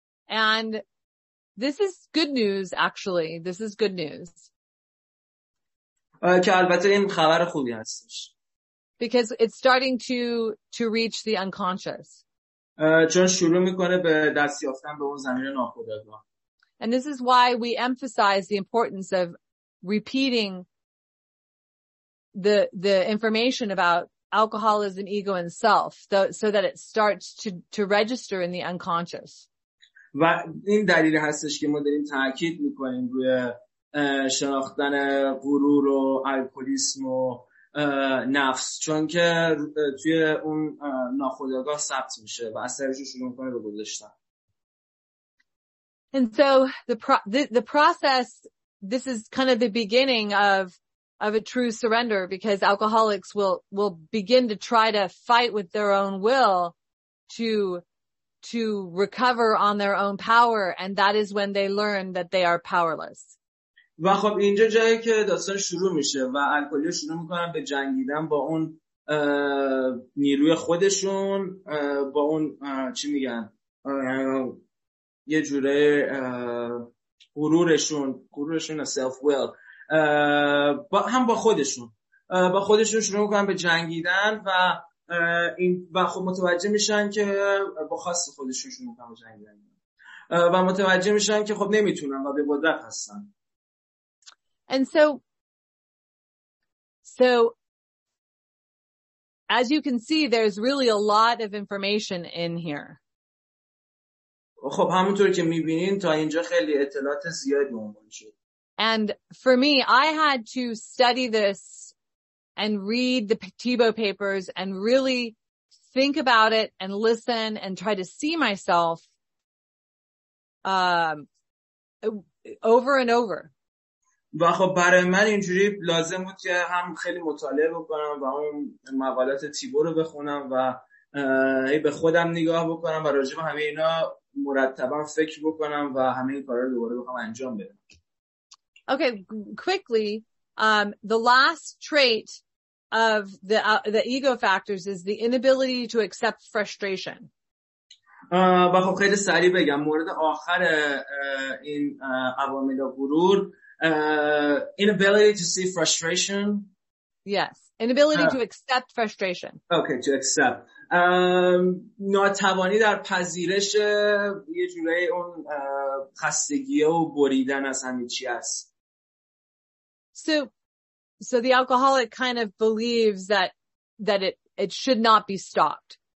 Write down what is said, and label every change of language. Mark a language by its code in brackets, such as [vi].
[en] And this is good news actually. This is good news. [fa] که البته این خبر خوبی هستش. [en] Because it's starting to reach the unconscious. [fa] چون شروع میکنه به دست یافتن به اون زمینه ناخودآگاه. [en] And this is why we emphasize the importance of repeating the information about alcoholism, ego and self, so that it starts to register in the unconscious. [fa] و این دلیل هستش که ما داریم تاکید میکنیم روی شناختن غرور و الکلیسم و نفس، چون که توی اون ناخودآگاه ثبت میشه و اثرش رو شروع میکنه به گذشتن. [en] And so the process, this is kind of the beginning of a true surrender, because alcoholics will begin to try to fight with their own will to recover on their own power, and that is when they learn that they are powerless. [fa] و خب اینجا جایی که داستان شروع میشه و الکلی‌ها شروع میکنن به جنگیدن با اون نیروی خودشون، با اون چی میگن، یه جوره غرورشون، سلف ویل، با خودشون شروع میکنن به جنگیدن و این و خب متوجه میشن که با خواست خودشون شروع میکنن به جنگیدن و متوجه میشن که خب نمیتونن و به قدرت هستن. [en] And so as you can see, there's really a lot of information in here. [fa] خب همونطور که می‌بینین تا اینجا خیلی اطلاعات زیاد عنوان شد. [en] And for me, I had to study this and read the Thibault papers and really think about it and listen and try to see myself over and over. [fa] و خب برای من اینجوری لازم بود که هم خیلی مطالعه بکنم و اون مقالات تیبو رو بخونم و به خودم نگاه بکنم و راجع به همه اینا مرتبا فکر بکنم و همه این کارا رو دوباره بخوام انجام بدم. [en] Okay, quickly, the last trait of the ego factors is the inability to accept frustration. [fa] و خب خیلی سریع بگم مورد آخر این عوامل غرور، [en] inability to see frustration. Yes, inability to accept frustration. Okay, to accept. [fa] ناتوانی در پذیرش یه جوره اون خستگی و بریدن از همه چی است. [en] So the alcoholic kind of believes that it should not be stopped.